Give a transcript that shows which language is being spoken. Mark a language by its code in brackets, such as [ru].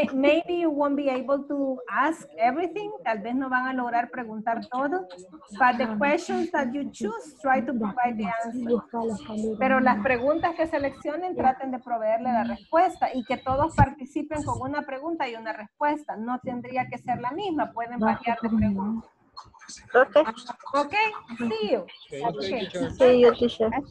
[en] maybe you won't be able to ask everything. [es] Tal vez no van a lograr preguntar todo. [en] But the questions that you choose, try to provide the answers. [es] Pero las preguntas que seleccionen, traten de proveerle la respuesta y que todos participen con una pregunta y una respuesta. No tendría que ser la misma. Pueden variar de preguntas. Okay. [en] See you. Okay. See you, teacher.